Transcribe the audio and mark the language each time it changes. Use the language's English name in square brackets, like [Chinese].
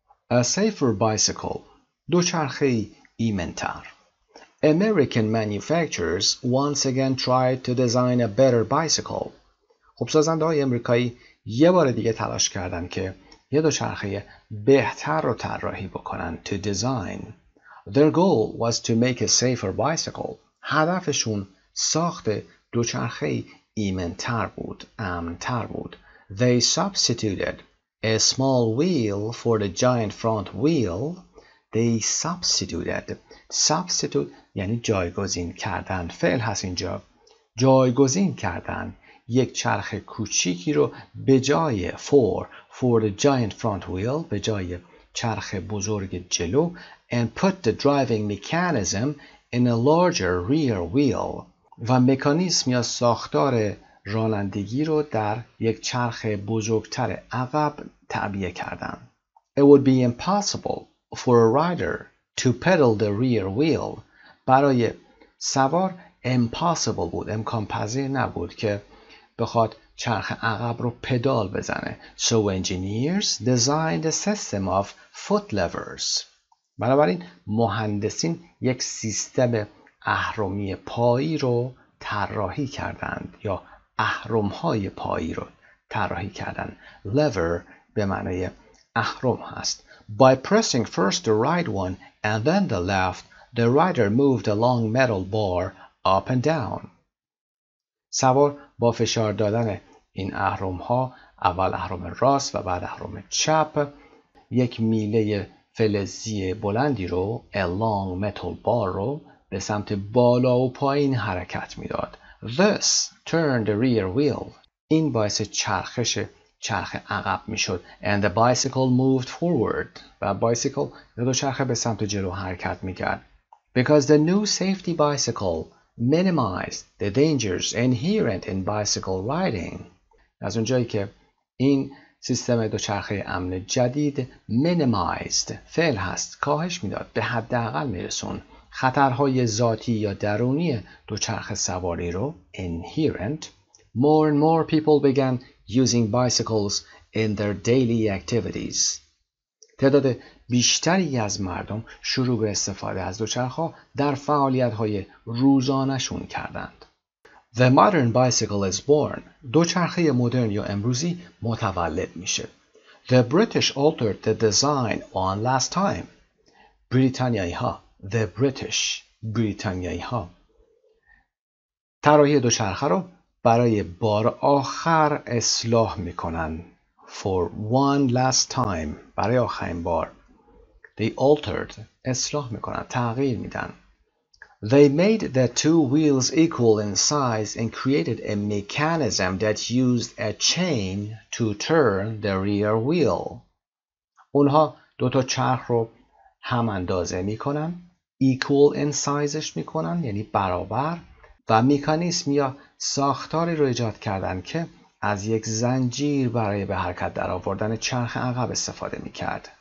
[English] A safer bicycle, [Persian] دوچرخه ایمنتر. [English] American manufacturers once again tried to design a better bicycle. [Persian] خب سازنده های امریکایی یه بار دیگه تلاش کردند که یه دوچرخه بهتر رو طراحی بکنند. [English] To design. Their goal was to make a safer bicycle. [Persian] هدفشون ساخت دوچرخه ایمنتر بود, امنتر بود. [English] They substituted a small wheel for the giant front wheel. They substituted. [Persian] Substitute یعنی جایگزین کردن. فعل هست اینجا. جایگزین کردن یک چرخ کوچیکی رو به جای [English] for the giant front wheel, [Persian] به جای چرخ بزرگ جلو. [English] And put the driving mechanism in a larger rear wheel. [Persian] و مکانیسم یا ساختار رانندگی رو در یک چرخ بزرگتر عقب تعبیه کردن. [English] It would be impossible for a rider to pedal the rear wheel. [Persian] برای سوار impossible بود, امکان پذیر نبود که بخواد چرخ عقب رو پدال بزنه. [English] So engineers designed a system of foot levers. [Persian] بنابراین مهندسین یک سیستم اهرمی پایی رو طراحی کردند یا اهرم‌های پایی رو طراحی کردند. Lever به معنی اهرم هست. [English] By pressing first the right one and then the left, the rider moved a long metal bar up and down. [Persian] سوار با فشار دادن این اهرم‌ها, اول اهرم راست و بعد اهرم چپ, یک میله فلزی بلندی رو, [English] a long metal bar [Persian] رو, به سمت بالا و پایین حرکت میداد. [English] This turned the rear wheel. [Persian] این باعث چرخش چرخ عقب میشد. [English] And the bicycle moved forward. [Persian] و بایسیکل یا دوچرخه به سمت جلو حرکت میکرد. [English] Because the new safety bicycle minimized the dangers inherent in bicycle riding. [Persian] از اونجایی که این سیستم دوچرخه امن جدید minimized فعل هست, کاهش میداد, به حداقل میرسون خطرهای ذاتی یا درونی دوچرخه سواری رو, inherent, [English] more and more people began using bicycles in their daily activities. [Persian] تعداد بیشتری از مردم شروع به استفاده از دوچرخه در فعالیت‌های روزانه‌شون کردند. [English] The modern bicycle is born. [Persian] دوچرخه مدرن یا امروزی متولد میشه. [English] The British altered the design one last time. [Persian] بریتانیایی‌ها, the British, بریتانیایی‌ها طراحی دوچرخه رو برای بار آخر اصلاح میکنن. [English] For one last time, [Persian] برای آخرین بار. [English] They altered, [Persian] اصلاح میکنن, تغییر میدن. [English] They made the two wheels equal in size and created a mechanism that used a chain to turn the rear wheel. [Persian] اونها دو تا چرخ رو هم اندازه میکنن, [English] equal in size [Persian] ش میکنن یعنی برابر, و مکانیزم یا ساختاری رو ایجاد کردن که از یک زنجیر برای به حرکت در آوردن چرخ عقب استفاده میکرد.